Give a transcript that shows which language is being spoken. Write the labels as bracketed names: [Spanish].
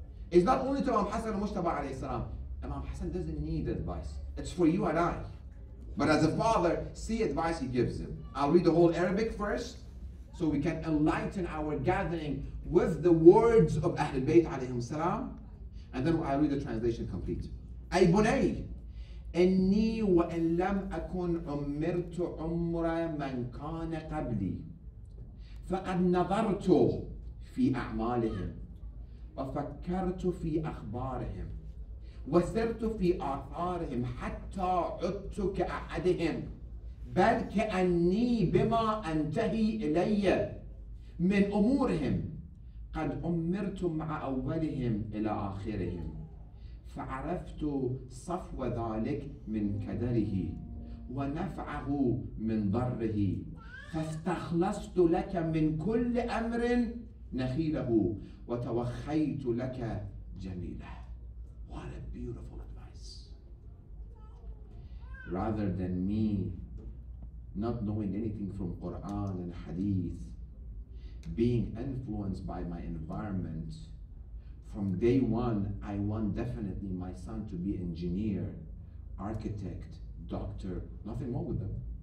[English] It's not only to Imam Hassan al-Mushtaba alayhi salam. Imam Hassan doesn't need advice. It's for you and I. But as a father, see advice he gives him. I'll read the whole Arabic first, so we can enlighten our gathering with the words of Ahl al-Bayt alayhim salam. And then I'll read the translation complete. [Arabic] Ay bunay. إني وإن لم أكن عمرت عمر من كان قبلي فقد نظرت في أعمالهم وفكرت في أخبارهم وسرت في آثارهم حتى عدت كأحدهم بل كأني بما أنتهي إلي من أمورهم قد عمرت مع أولهم إلى آخرهم فعرفت صفو ذلك من كدره ونفعه من ضره فاستخلصت لك من كل أمر نخيله وتوخيت لك جميله. [English] What a beautiful advice. Rather than me not knowing anything from Quran and Hadith, being influenced by my environment, from day one, I want definitely my son to be engineer, architect, doctor, nothing wrong with them.